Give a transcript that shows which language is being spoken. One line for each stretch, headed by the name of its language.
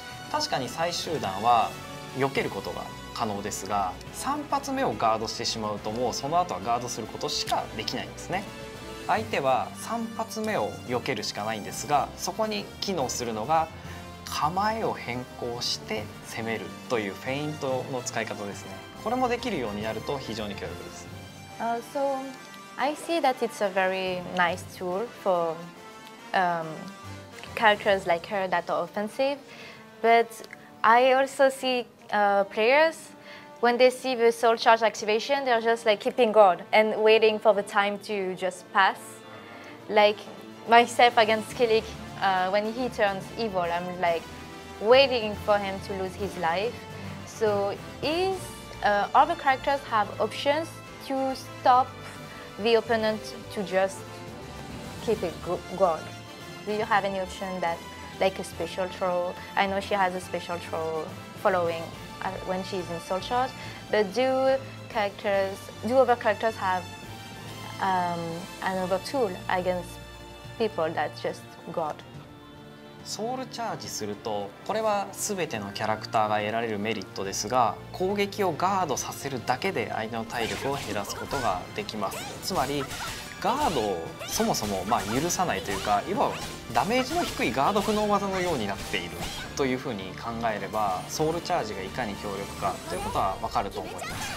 Japanese: 確かに最終段は避けることが可能ですが、3発目をガードしてしまうともうその後はガードすることしかできないんですね。相手は3発目を避けるしかないんですが、そこに機能するのが構えを変更して攻めるというフェイントの使い方ですね。これもできるようになると非常に強力です。
English: So I see that it's a very nice tool for characters like her that are offensive. But I also see players when they see the soul charge activation, they're just like keeping guard and waiting for the time to just pass. Like myself against Killik, when he turns evil, I'm like waiting for him to lose his life. So is other characters have options to stop the opponent to just keep it guard? Do you have any option that like a special troll? I know she has a special troll following when she's in soul charge, but do other characters have another tool against people that just guard?
Japanese: ソウルチャージすると、これは全てのキャラクターが得られるメリットですが、攻撃をガードさせるだけで相手の体力を減らすことができます。つまりガードをそもそもまあ許さないというか、いわばダメージの低いガード不能技のようになっているというふうに考えれば、ソウルチャージがいかに強力かということはわかると思います。